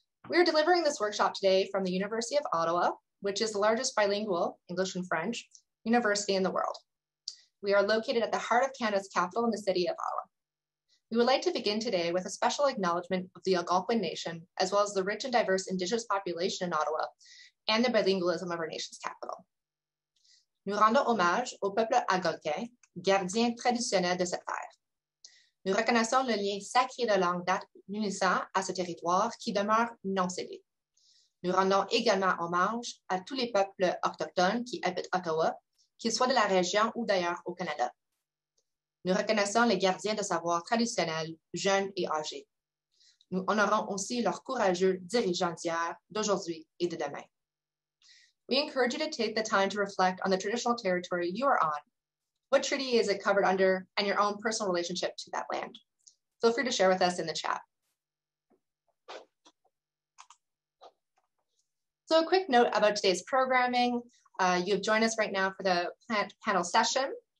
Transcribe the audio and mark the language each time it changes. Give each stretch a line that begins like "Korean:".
English: We are delivering this workshop today from the University of Ottawa, which is the largest bilingual, English and French, university in the world. We are located at the heart of Canada's capital in the city of Ottawa. We would like to begin today with a special acknowledgement of the Algonquin Nation, as well as the rich and diverse Indigenous population in Ottawa and the bilingualism of our nation's capital.
French: Nous rendons hommage au peuple algonquin, gardien traditionnel de cette terre. Nous reconnaissons le lien sacré de langue date unissant à ce territoire qui demeure non cédé. Nous rendons également hommage à tous les peuples autochtones qui habitent Ottawa, qu'ils soient de la région ou d'ailleurs au Canada. Nous reconnaissons les gardiens de savoir traditionnels, jeunes et âgés. Nous honorons aussi leurs courageux dirigeants d'hier, d'aujourd'hui et de demain.
English: We encourage you to take the time to reflect on the traditional territory you are on. What treaty is it covered under, and your own personal relationship to that land? Feel free to share with us in the chat. So a quick note about today's programming. You've joined us right now for the panel session.